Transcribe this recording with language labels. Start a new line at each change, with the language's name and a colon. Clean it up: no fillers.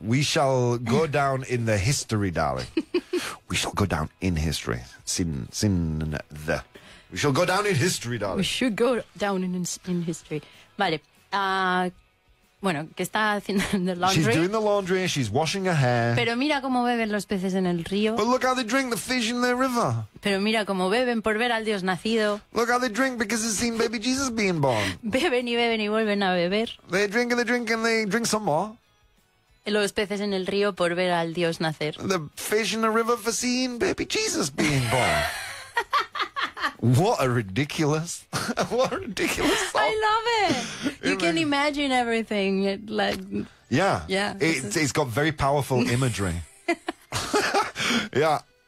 English: We shall go down in the history, darling. We shall go down in history. We shall go down in history, darling. We should go down in history.
Spanish: Vale. Bueno, que está haciendo
English: the laundry. She's doing the laundry and she's washing her hair.
Spanish: Pero mira cómo beben los peces en el río.
English: But look how they drink the fish in the river.
Spanish: Pero mira cómo beben por ver al Dios nacido.
English: Look how they drink because they've seen baby Jesus being born.
Spanish: Beben y beben y vuelven a beber.
English: They drink and they drink and they drink some more.
Spanish: Los peces en el río por ver al Dios nacer.
English: The fish in the river for seeing baby Jesus being born. What a ridiculous song. I love it. You can imagine everything. Yeah. Yeah. It's got very powerful imagery. Yeah.